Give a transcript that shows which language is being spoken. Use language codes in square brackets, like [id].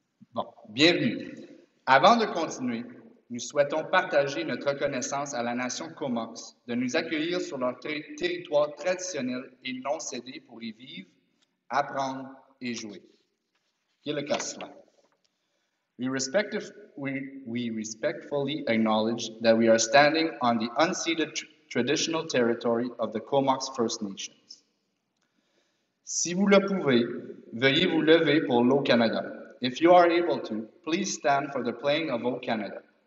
[fr] Bon, bienvenue. Avant de continuer, nous souhaitons partager notre reconnaissance à la nation Comox de nous accueillir sur leur territoire traditionnel et non cédé pour y vivre, apprendre et jouer. [coo] Gilakasla. [en] We respectfully acknowledge that we are standing on the unceded traditional territory of the Comox First Nations. [fr] Si vous le pouvez, veuillez vous lever pour l'O Canada. [en] If you are able to, please stand for the playing of O Canada.